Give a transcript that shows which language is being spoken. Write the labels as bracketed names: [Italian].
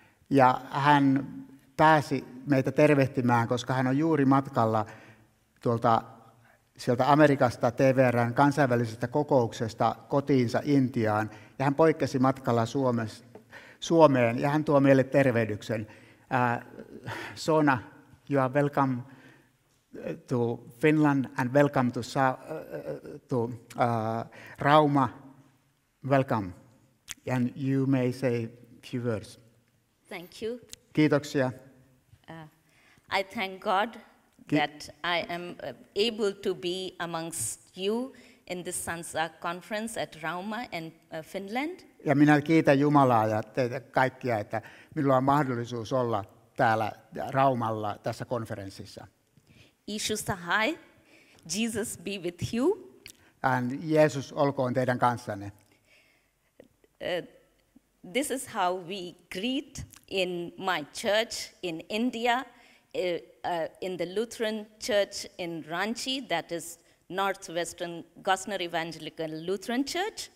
[Finnish] Ja hän pääsi meitä tervehtimään, koska hän on juuri matkalla tuolta sieltä Amerikasta TVR:n kansainvälisestä kokouksesta kotiinsa Intiaan. Ja hän poikkesi matkalla Suomeen ja hän tuo meille tervehdyksen. [English] Sona, you are welcome to Finland and welcome to Rauma. Welcome. And you may say few words. Thank you. [Finnish] Kiitoksia. [English] I thank God that I am able to be amongst you in this Sansa conference at Rauma in Finland. [Finnish] Ja minä kiitän Jumalaa ja teitä kaikkia, että minulla on mahdollisuus olla täällä Raumalla tässä konferenssissa. [English] Ishusahai, Jesus be with you. [Finnish] And Jeesus olkoon teidän kanssanne. [English] This is how we greet in my church in India, in the Lutheran church in Ranchi, that is Northwestern Gosner Evangelical Lutheran Church.